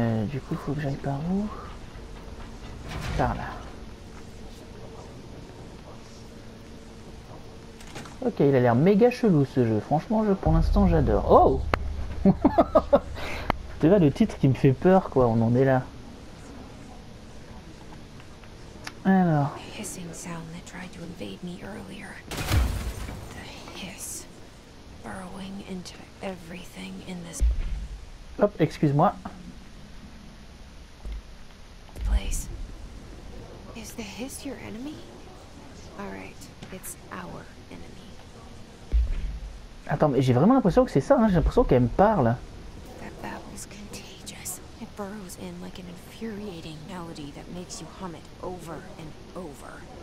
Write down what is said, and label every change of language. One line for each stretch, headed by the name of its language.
French: Du coup, faut que j'aille par où? Par là. Ok, il a l'air méga chelou ce jeu. Franchement, je, pour l'instant, j'adore. Oh! Tu vois, le titre qui me fait peur, quoi. On en est là. Alors.
English: Hissing sound that tried to invade me earlier. The hiss burrowing into everything in this.
French: Hop, excuse-moi.
English: Place. Is the hiss your enemy? All right, it's our enemy.
French: Attends, mais j'ai vraiment l'impression que c'est ça, hein. J'ai l'impression qu'elle me parle.
English: That babble's contagious. It burrows in like an infuriating melody that makes you hum it over and over.